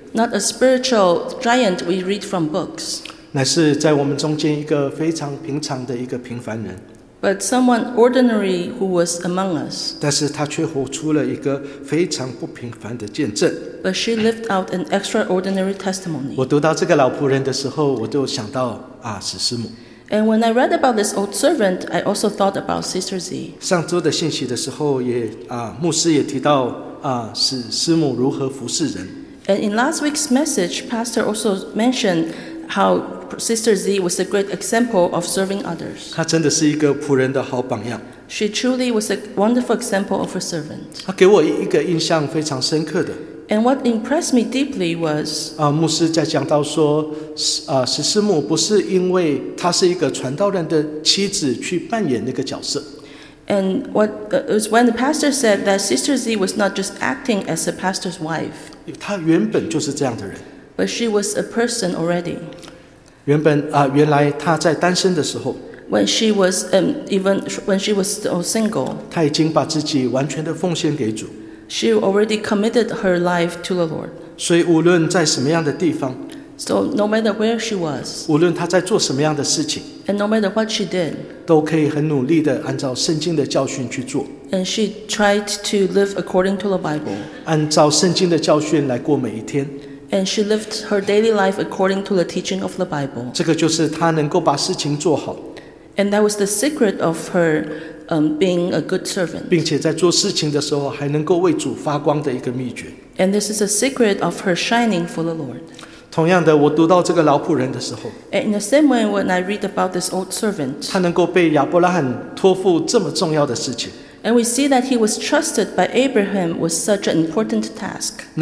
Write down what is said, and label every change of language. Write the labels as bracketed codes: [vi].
[en] Not a spiritual giant we read from books. [zh] 乃是在我们中间一个非常平常的一个平凡人。 [en] But someone ordinary who was among us. [zh] 但是他却活出了一个非常不平凡的见证。 [en] But she lived out an extraordinary testimony. [zh] 我读到这个老仆人的时候，我就想到师母。 [en] And when I read about this old servant, I also thought about Sister Z. [zh] 上周的信息的时候也牧师也提到师母如何服侍人。 [en] And in last week's message, Pastor also mentioned how Sister Z was a great example of serving others. [zh] 她真的是一个仆人的好榜样。 [en] She truly was a wonderful example of a servant. [zh] 她给我一个印象非常深刻的。 [en] And what impressed me deeply was, [zh] 牧师在讲到说，十四母不是因为她是一个传道人的妻子去扮演那个角色。 [en] And what was when the pastor said that Sister Z was not just acting as a pastor's wife. [zh] 她原本就是这样的人。 [en] But she was a person already. [zh] 原本原来她在单身的时候。 [en] When she was even when she was still single. [zh] 她已经把自己完全的奉献给主。 [en] She already committed her life to the Lord. [zh] 所以无论在什么样的地方。 [en] So no matter where she was, [zh] 无论她在做什么样的事情 [en] and no matter what she did, [zh] 都可以很努力地按照圣经的教训去做 [en] and she tried to live according to the Bible, [zh] 按照圣经的教训来过每一天 [en] and she lived her daily life according to the teaching of the Bible. [zh] 这个就是她能够把事情做好 [en] and that was the secret of her, being a good servant. [zh] 并且在做事情的时候还能够为主发光的一个秘诀 [en] and this is a secret of her shining for the Lord. [zh] 同样的，我读到这个老仆人的时候 [en] ，In the same way, when I read about this old servant, [zh] 他能够被亚伯拉罕托付这么重要的事情 [en] ，And we see that he was trusted by Abraham with such an important task.